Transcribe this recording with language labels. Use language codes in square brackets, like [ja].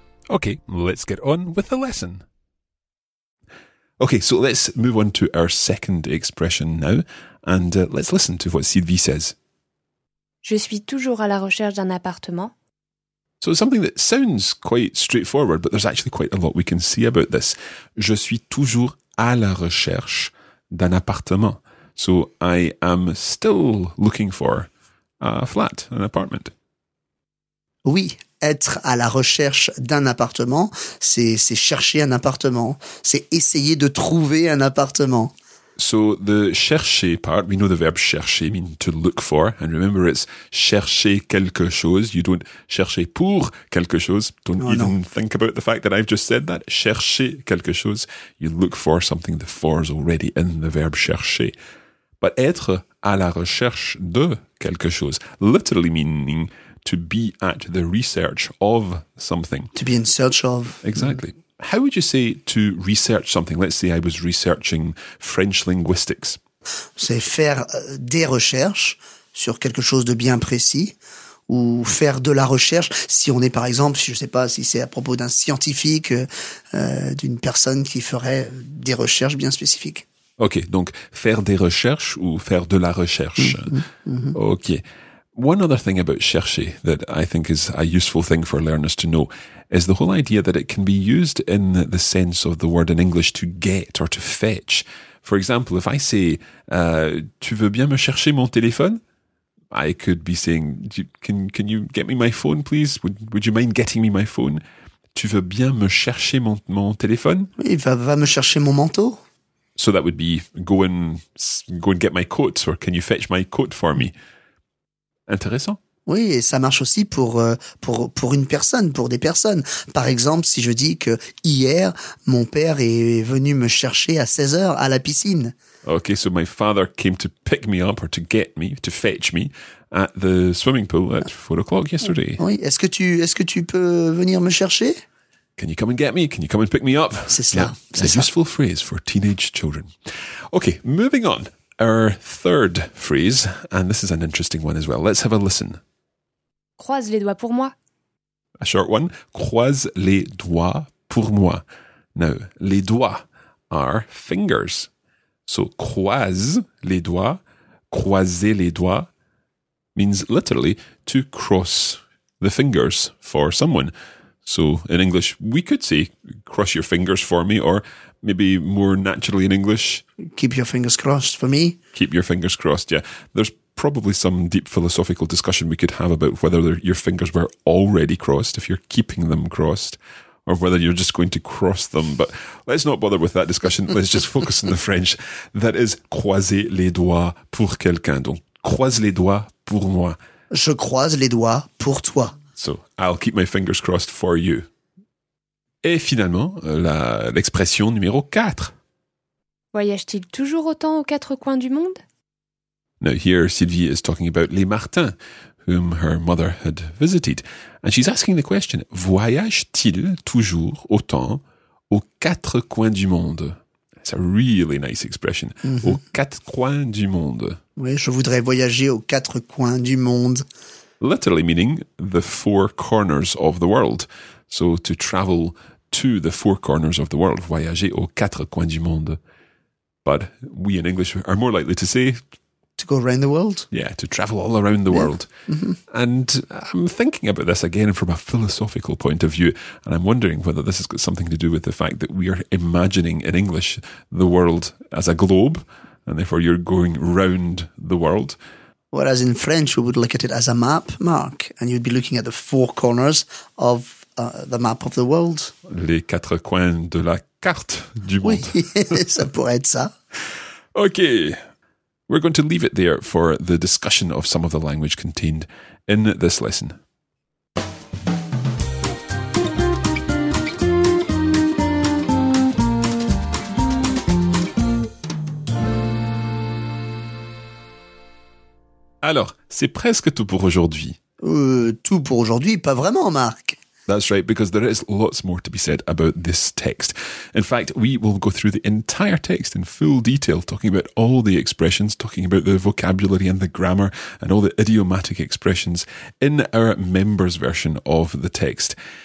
[en] Okay, let's get on with the lesson. Okay, so let's move on to our second expression now, and let's listen to what Sylvie says. [fr] Je suis toujours à la recherche d'un appartement. [en] So it's something that sounds quite straightforward, but there's actually quite a lot we can see about this. [fr] Je suis toujours à la recherche d'un appartement. [en] So I am still looking for a flat, an apartment. [fr] Oui, être à la recherche d'un appartement, c'est chercher un appartement. C'est essayer de trouver un appartement. [en] So the chercher part, we know the verb chercher means to look for. And remember, it's chercher quelque chose. You don't chercher pour quelque chose. Think about the fact that I've just said that. [fr] Chercher quelque chose. [en] You look for something, the for is already in the verb chercher. But être à la recherche de quelque chose, literally meaning to be at the research of something. To be in search of. Exactly. Mm. How would you say to research something? Let's say I was researching French linguistics. [fr] C'est faire des recherches sur quelque chose de bien précis ou faire de la recherche. Si on est, par exemple, je ne sais pas si c'est à propos d'un scientifique, d'une personne qui ferait des recherches bien spécifiques. OK, donc faire des recherches ou faire de la recherche. Mm-hmm. OK. [en] One other thing about chercher that I think is a useful thing for learners to know is the whole idea that it can be used in the sense of the word in English to get or to fetch. For example, if I say, [fr] tu veux bien me chercher mon téléphone? [en] I could be saying, can you get me my phone, please? Would you mind getting me my phone? [fr] Tu veux bien me chercher mon téléphone? Oui, va me chercher mon manteau. [en] So that would be, go and get my coat, or can you fetch my coat for me? [fr] Intéressant. Oui, et ça marche aussi pour une personne, pour des personnes. Par exemple, si je dis que hier, mon père est venu me chercher à 16h à la piscine. [en] OK, so my father came to pick me up or to get me, to fetch me at the swimming pool at 4 o'clock yesterday. [fr] Oui, est-ce que tu peux venir me chercher? [en] Can you come and get me? Can you come and pick me up? [fr] C'est cela. [en] Yeah, c'est a useful phrase for teenage children. OK, moving on. Our third phrase, and this is an interesting one as well. Let's have a listen. [fr] Croise les doigts pour moi. [en] A short one. [fr] Croise les doigts pour moi. [en] Now, les doigts are fingers. So, croise les doigts, croiser les doigts, means literally to cross the fingers for someone. So, in English, we could say, cross your fingers for me, or maybe more naturally in English. Keep your fingers crossed for me. Keep your fingers crossed, yeah. There's probably some deep philosophical discussion we could have about whether your fingers were already crossed, if you're keeping them crossed, or whether you're just going to cross them. But let's not bother with that discussion. Let's just focus on the French. That is [fr] croiser les doigts pour quelqu'un. Donc, croise les doigts pour moi. Je croise les doigts pour toi. [en] So, I'll keep my fingers crossed for you. [fr] Et finalement, l'expression numéro 4. Voyage-t-il toujours autant aux quatre coins du monde? [en] Now here, Sylvie is talking about les Martins, whom her mother had visited. And she's asking the question, [fr] voyage-t-il toujours autant aux quatre coins du monde? [en] It's a really nice expression. Mm-hmm. [fr] Aux quatre coins du monde. Oui, je voudrais voyager aux quatre coins du monde. [en] Literally meaning the four corners of the world. So to travel to the four corners of the world, [fr] voyager aux quatre coins du monde. [en] But we in English are more likely to say... To go around the world? Yeah, to travel all around the world. Mm-hmm. And I'm thinking about this again from a philosophical point of view, and I'm wondering whether this has got something to do with the fact that we are imagining in English the world as a globe, and therefore you're going round the world. Whereas in French, we would look at it as a map, Mark, and you'd be looking at the four corners of the map of the world. [fr] Les quatre coins de la carte du monde. Oui, ça pourrait être ça. [en] Okay, we're going to leave it there for the discussion of some of the language contained in this lesson. [fr] Alors, c'est presque tout pour aujourd'hui. Tout pour aujourd'hui, pas vraiment, Marc. [en] That's right, because there is lots more to be said about this text. In fact, we will go through the entire text in full detail, talking about all the expressions, talking about the vocabulary and the grammar and all the idiomatic expressions in our members' version of the text.